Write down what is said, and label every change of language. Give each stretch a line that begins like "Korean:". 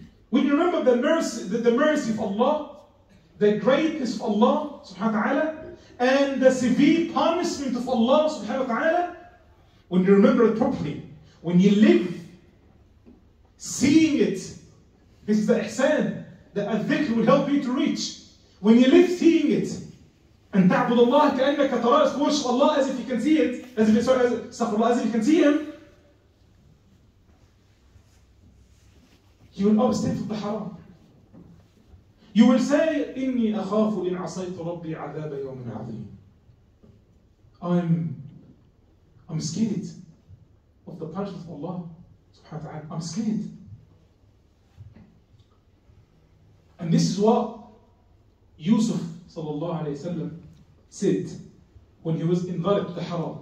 English: When you remember the mercy of Allah, the greatness of Allah subhanahu wa ta'ala, and the severe punishment of Allah subhanahu wa ta'ala, when you remember it properly, when you live seeing it, this is the ihsan that al-dhikr will help you to reach. When you live seeing it, and ta'bud Allah ka'annaka tara'as, worship Allah as if you can see it, as if you can see him, you will abstain from the haram. You will say,
Arabic: إِنِّي أَخَافُ إِنْ عَصَيْتُ رَبِّي عَذَابَ يَوْمٍ عَظِيمٍ.
English: I'm scared of the punishment of Allah subhanahu wa ta'ala. I'm scared. And this is what Yusuf sallallahu alayhi wa sallam said when he was enveloped to the haram.